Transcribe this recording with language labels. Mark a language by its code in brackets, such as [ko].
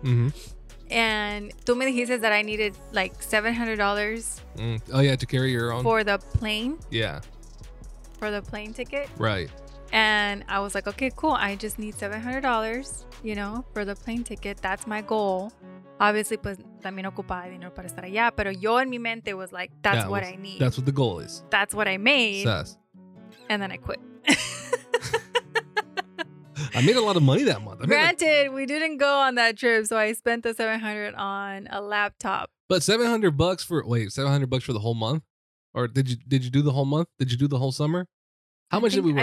[en] Mm-hmm. And [es] tú me dijiste [en] that I needed like $700. Mm. Oh, yeah, to carry your own. For the plane. Yeah. For the plane ticket. Right. And I was like, okay, cool. I just need $700, you know, for the plane ticket. That's my goal. Obviously, [es] pues también ocupaba dinero para estar allá. Pero yo en mi mente [en] was like, that's what I need. That's what the goal is. That's what I made. Sus. And then I quit. I made a lot of money that month. Granted, we didn't go on that trip, so I spent the $700 on a laptop. But $700 for the whole month? Or did you do the whole month? Did you do the whole summer? How much did we work?